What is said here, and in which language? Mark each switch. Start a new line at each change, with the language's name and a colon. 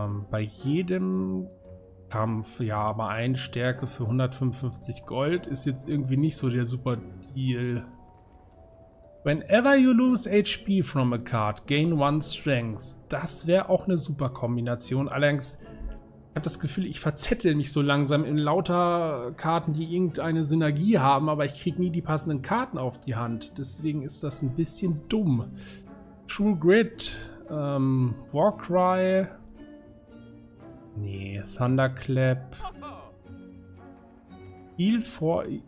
German: Bei jedem Kampf, ja, aber 1 Stärke für 155 Gold ist jetzt irgendwie nicht so der super Deal.
English: Whenever you lose HP from a card, gain 1 strength.
German: Das wäre auch eine super Kombination. Allerdings, ich habe das Gefühl, ich verzettel mich so langsam in lauter Karten, die irgendeine Synergie haben, aber ich kriege nie die passenden Karten auf die Hand. Deswegen ist das ein bisschen dumm. True Grit, Warcry, nee, Thunderclap, Heal for...